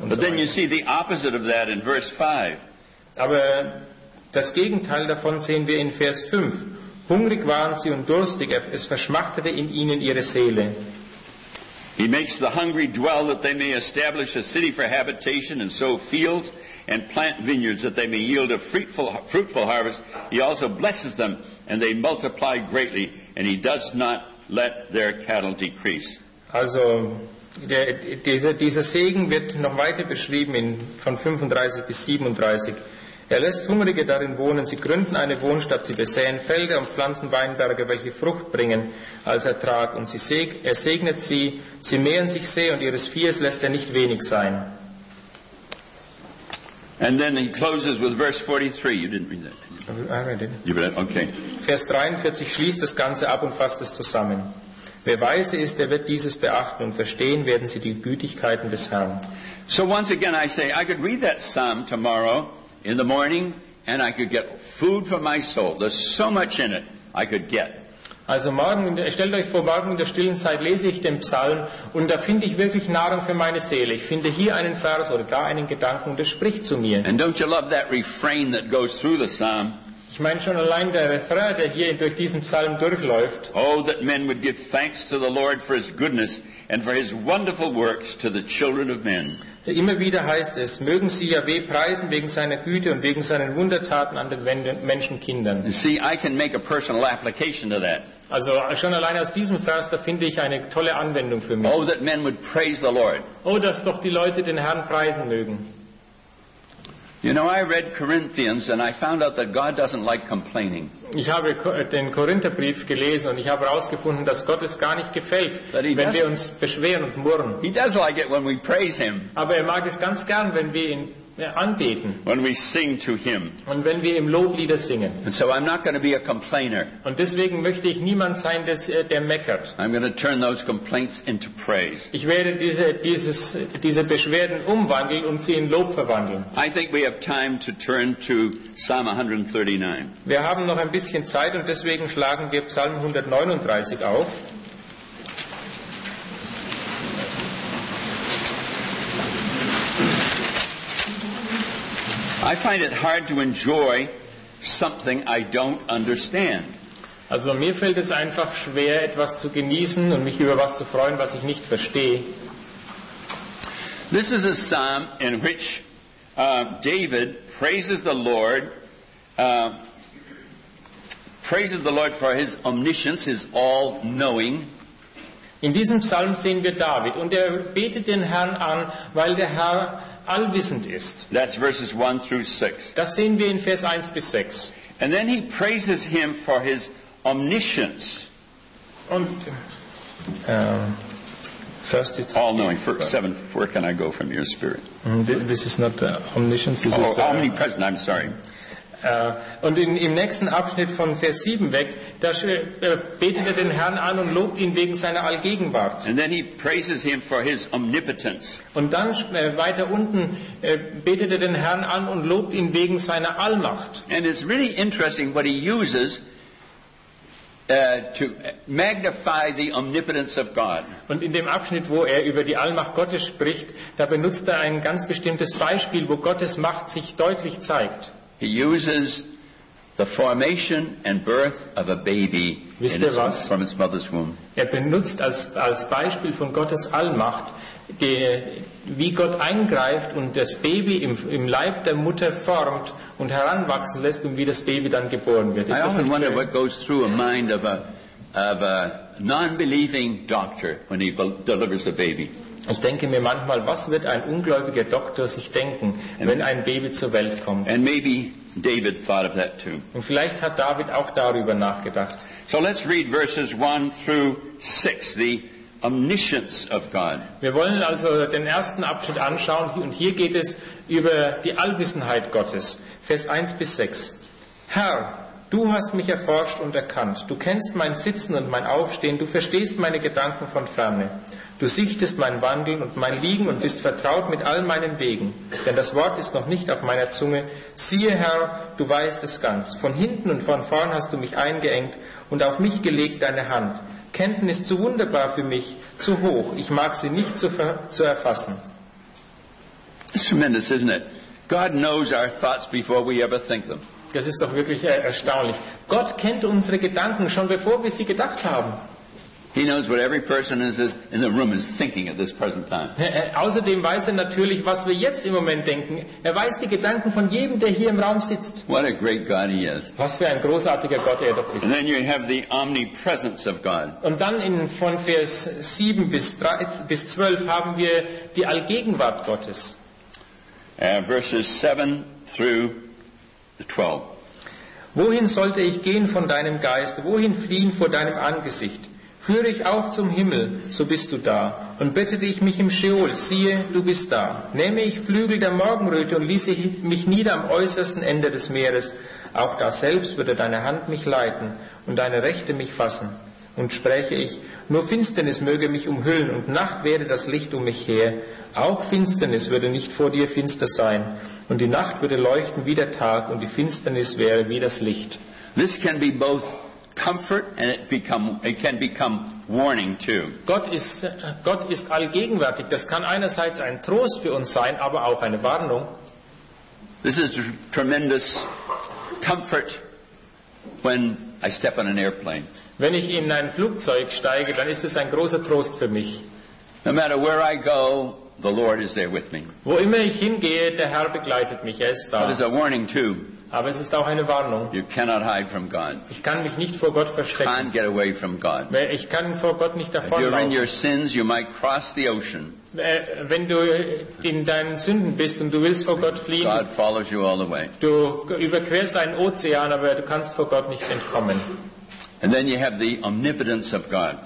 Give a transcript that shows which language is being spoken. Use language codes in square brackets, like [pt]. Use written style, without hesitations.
[de] Und [en] so then you see the opposite of that in verse 5. [de] Aber das Gegenteil davon sehen wir in Vers 5. Hungrig waren sie und durstig, es verschmachtete in ihnen ihre Seele. [en] He makes the hungry dwell that they may establish a city for habitation and sow fields and plant vineyards that they may yield a fruitful harvest. He also blesses them and they multiply greatly and he does not let their cattle decrease. [de] Also dieser Segen wird noch weiter beschrieben in von 35 bis 37. Er lässt Hungrige darin wohnen, sie gründen eine Wohnstadt, sie besäen Felder und pflanzen Weinberge, welche Frucht bringen als Ertrag. Und er segnet sie, sie mehren sich sehr und ihres Viehes lässt er nicht wenig sein. [en] And then he closes with verse 43. You didn't read that. I read it. You read it? Okay. [de] Vers 43 schließt das Ganze ab und fasst es zusammen. Wer weise ist, der wird dieses beachten und verstehen werden sie die Gütigkeiten des Herrn. [en] So once again I say, I could read that psalm tomorrow in the morning, and I could get food for my soul. There's so much in it I could get. [de] Also morgen, stellt euch vor, morgen in der stillen Zeit lese ich den Psalm und da finde ich wirklich Nahrung für meine Seele. Ich finde hier einen Vers oder gar einen Gedanken, der spricht zu mir. [en] And don't you love that refrain that goes through the psalm? [de] Ich meine schon allein der Refrain, der hier durch diesen Psalm durchläuft. [en] Oh, that men would give thanks to the Lord for his goodness and for his wonderful works to the children of men. [de] Immer wieder heißt es, mögen sie Jahweh preisen wegen seiner Güte und wegen seinen Wundertaten an den Menschenkindern. [en] See, I can make a personal application to that. [de] Also schon allein aus diesem Vers, da finde ich eine tolle Anwendung für mich. [en] Oh, that men would praise the Lord. [de] Oh, dass doch die Leute den Herrn preisen mögen. [en] You know, I read Corinthians and I found out that God doesn't like complaining. [de] Ich habe den Korintherbrief gelesen und ich habe herausgefunden, dass Gott es gar nicht gefällt, wenn wir uns beschweren und murren. [en] He does like it when we praise him. [de] Aber er mag es ganz gern, wenn wir ihn anbeten. [en] When we sing to him. [de] Und wenn wir ihm Loblieder singen. [en] And so I'm not going to be a complainer. [de] Und deswegen möchte ich niemand sein, der meckert. [en] I'm going to turn those complaints into praise. [de] Ich werde diese Beschwerden umwandeln und sie in Lob verwandeln. [en] I think we have time to turn to Psalm 139. [de] Wir haben noch ein bisschen Zeit und deswegen schlagen wir Psalm 139 auf. [en] I find it hard to enjoy something I don't understand. [de] Also mir fällt es einfach schwer, etwas zu genießen und mich über was zu freuen, was ich nicht verstehe. [en] This is a psalm in which David praises the Lord for his omniscience, his all-knowing. [de] In diesem Psalm sehen wir David und er betet den Herrn an, weil der Herr allwissend ist. [en] That's verses 1 through 6. [de] Das sehen wir in Vers 1 bis 6. [en] And then he praises him for his omniscience. Und first it's all knowing. For 7, where can I go from your spirit? This is not omniscience. This is omnipresent. I'm sorry. [de] Und im nächsten Abschnitt von Vers 7 weg, da betet er den Herrn an und lobt ihn wegen seiner Allgegenwart. [en] And then he praises him for his omnipotence. [de] Und dann weiter unten betet er den Herrn an und lobt ihn wegen seiner Allmacht. [en] And it's really interesting what he uses to magnify the omnipotence of God. [de] Und in dem Abschnitt, wo er über die Allmacht Gottes spricht, da benutzt er ein ganz bestimmtes Beispiel, wo Gottes Macht sich deutlich zeigt. [en] He uses the formation and birth of a baby from its mother's womb. [de] Er benutzt als Beispiel von Gottes Allmacht, wie Gott eingreift und das Baby im Leib der Mutter formt und heranwachsen lässt und wie das Baby dann geboren wird. [en] I often wonder what goes through a mind of a non-believing doctor when he delivers a baby. [de] Ich denke mir manchmal, was wird ein ungläubiger Doktor sich denken, wenn ein Baby zur Welt kommt? [en] And maybe David thought of that too. [de] Und vielleicht hat David auch darüber nachgedacht. [en] So let's read verses 1 through 6, the omniscience of God. [de] Wir wollen also den ersten Abschnitt anschauen, und hier geht es über die Allwissenheit Gottes. Vers 1 bis 6. Herr, du hast mich erforscht und erkannt. Du kennst mein Sitzen und mein Aufstehen. Du verstehst meine Gedanken von Ferne. Du sichtest mein Wandeln und mein Liegen und bist vertraut mit all meinen Wegen. Denn das Wort ist noch nicht auf meiner Zunge. Siehe, Herr, du weißt es ganz. Von hinten und von vorn hast du mich eingeengt und auf mich gelegt deine Hand. Kenntnis zu wunderbar für mich, zu hoch. Ich mag sie nicht zu erfassen. [en] It's tremendous, isn't it? God knows our thoughts before we ever think them. [de] Das ist doch wirklich erstaunlich. Gott kennt unsere Gedanken schon bevor wir sie gedacht haben. [en] He knows what every person in the room is thinking at this present time. [de] Außerdem weiß er natürlich, was wir jetzt im Moment denken. Er weiß die Gedanken von jedem, der hier im Raum sitzt. [en] What a great God he is. [de] Was für ein großartiger Gott er doch ist. [en] And then you have the omnipresence of God. [de] Und dann von Vers 7 bis 12 haben wir die Allgegenwart Gottes. [en] Verses 7 through 12. [de] Wohin sollte ich gehen von deinem Geist? Wohin fliehen vor deinem Angesicht? Führe ich auf zum Himmel, so bist du da. Und bettete ich mich im Scheol, siehe, du bist da. Nähme ich Flügel der Morgenröte und ließe mich nieder am äußersten Ende des Meeres, auch da selbst würde deine Hand mich leiten und deine Rechte mich fassen. Und spräche ich, nur Finsternis möge mich umhüllen und Nacht werde das Licht um mich her. Auch Finsternis würde nicht vor dir finster sein. Und die Nacht würde leuchten wie der Tag und die Finsternis wäre wie das Licht. [en] This can be both comfort and it can become warning too. [de] Gott ist allgegenwärtig. Das kann einerseits ein Trost für uns sein, aber auch eine Warnung. [en] This is tremendous comfort when I step on an airplane. [de] Wenn ich in ein Flugzeug steige, dann ist es ein großer Trost für mich. [en] No matter where I go, the Lord is there with me. [de] Wo immer ich hingehe, der Herr begleitet mich. Er ist da. [en] That is a warning too. [de] Aber es ist auch eine Warnung. [en] You cannot hide from God. [de] Ich kann mich nicht vor Gott verstecken. [en] You can't get away from God. [de] Ich kann vor Gott nicht davonlaufen. [en] If you're in your sins, you might cross the ocean. [de] Wenn du in deinen Sünden bist und du willst vor Gott fliehen, [en] God follows you all the way. [de] Du überquerst einen Ozean, aber du kannst vor Gott nicht entkommen. [en] And then you have the omnipotence of God.